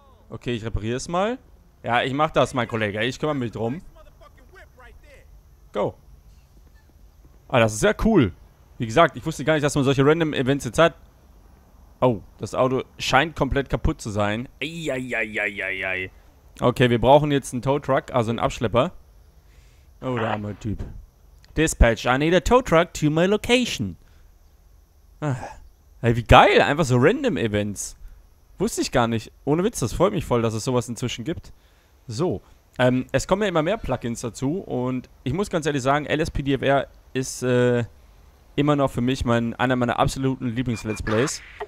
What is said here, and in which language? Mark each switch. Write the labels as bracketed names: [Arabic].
[German] Okay, ich repariere es mal. Ja, ich mach das, mein Kollege. Ich kümmere mich drum. Go. Ah, das ist ja cool. Wie gesagt, ich wusste gar nicht, dass man solche Random-Events jetzt hat. Oh, das Auto scheint komplett kaputt zu sein. Eieieiei. Okay, wir brauchen jetzt einen Tow-Truck, also einen Abschlepper. Oh, der arme Typ. [English] Dispatch, I need a Tow-Truck to my location. [German] Hey, wie geil, einfach so random Events. Wusste ich gar nicht. Ohne Witz, das freut mich voll, dass es sowas inzwischen gibt. So, es kommen ja immer mehr Plugins dazu und ich muss ganz ehrlich sagen, LSPDFR ist immer noch für mich einer meiner absoluten Lieblings-Let's Plays.